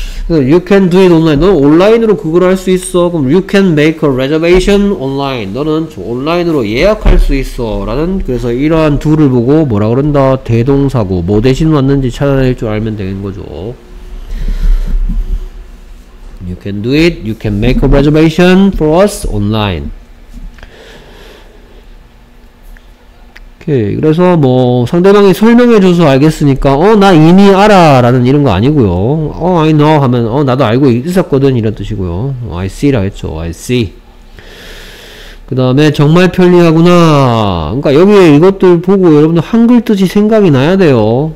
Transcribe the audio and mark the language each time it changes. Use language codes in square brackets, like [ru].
[en] You can do it online. [ko] 너는 온라인으로 그걸 할 수 있어. 그럼 [en] you can make a reservation online. [ko] 너는 온라인으로 예약할 수 있어 라는 그래서 이러한 둘을 보고 뭐라 그런다 대동사고 뭐 대신 왔는지 찾아낼 줄 알면 되는 거죠. [en] You can do it. You can make a reservation for us online. [ko] 예, 그래서 뭐 상대방이 설명해줘서 알겠으니까 어 나 이미 알아 라는 이런 거 아니고요. 어 [en] I know [ko] 하면 어 나도 알고 있었거든 이런 뜻이고요. [en] I see [ko] 라 했죠. I see. 그 다음에 정말 편리하구나. 그러니까 여기에 이것들 보고 여러분들 한글 뜻이 생각이 나야 돼요.